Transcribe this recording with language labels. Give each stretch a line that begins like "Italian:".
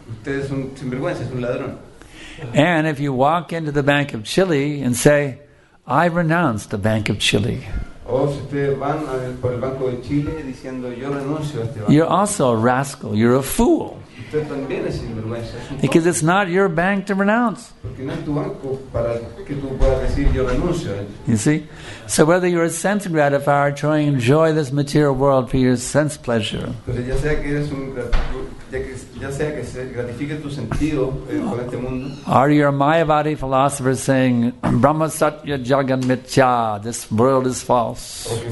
Spanish: Usted es un sinvergüenza, es un ladrón.
English: And if you walk into the Bank of Chile and say, I renounce the Bank of Chile, you're also a rascal, you're a fool.
Spanish: Usted también es sinvergüenza, es un
English: because it's not your bank to renounce.
Spanish: Porque no es tu banco para que tú puedas decir, yo renuncio.
English: You see? So whether you're a sense gratifier trying to enjoy this material world for your sense pleasure, or your Mayavadi philosopher saying,
Sanskrit: Brahma Satya Jagan Mitya,
English: this world is false.